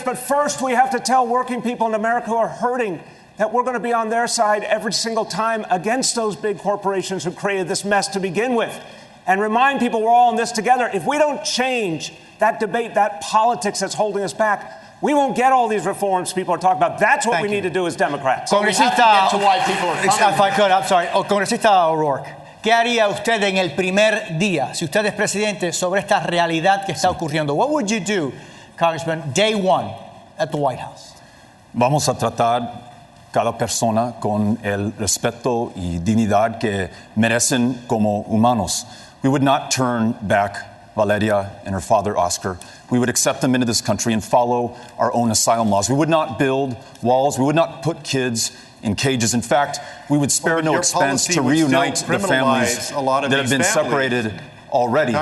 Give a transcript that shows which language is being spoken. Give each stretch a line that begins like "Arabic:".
English: But first, we have to tell working people in America who are hurting that we're going to be on their side every single time against those big corporations who created this mess to begin with. And remind people we're all in this together. If we don't change that debate, that politics that's holding us back, we won't get all these reforms people are talking about. That's what we need to do as Democrats.
Spanish: Congresista,
English: we have to get to why people are coming. If I could, I'm sorry.
Spanish: Oh, Congresista O'Rourke, ¿qué haría usted en el primer día, si usted es presidente, sobre esta realidad que está ocurriendo?
English: What would you do, Congressman, day one at the White House?
Spanish: Vamos a tratar cada persona con el respeto y dignidad que merecen como humanos.
English: We would not turn back Valeria and her father, Oscar. We would accept them into this country and follow our own asylum laws. We would not build walls. We would not put kids in cages. In fact, we would spare no expense to reunite the families that have been separated already.